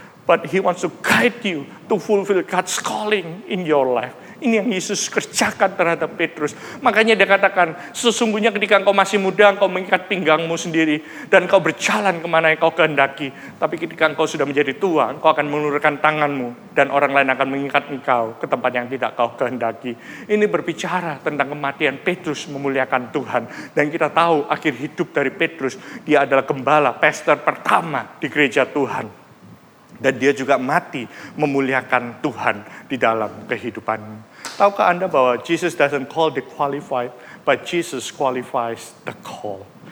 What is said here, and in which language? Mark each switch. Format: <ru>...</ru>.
<en>But he wants to guide you to fulfill God's calling in your life.</en> <id>Ini yang Yesus kerjakan terhadap Petrus. Makanya dia katakan, sesungguhnya ketika engkau masih muda, engkau mengikat pinggangmu sendiri, dan engkau berjalan kemana yang kau kehendaki. Tapi ketika engkau sudah menjadi tua, engkau akan mengulurkan tanganmu, dan orang lain akan mengikat engkau ke tempat yang tidak kau kehendaki. Ini berbicara tentang kematian Petrus memuliakan Tuhan. Dan kita tahu akhir hidup dari Petrus, dia adalah gembala, pastor pertama di gereja Tuhan. Dan dia juga mati memuliakan Tuhan di dalam kehidupan. Tahukah Anda bahwa</id> <en>Jesus doesn't call the qualified, but Jesus qualifies the call.</en>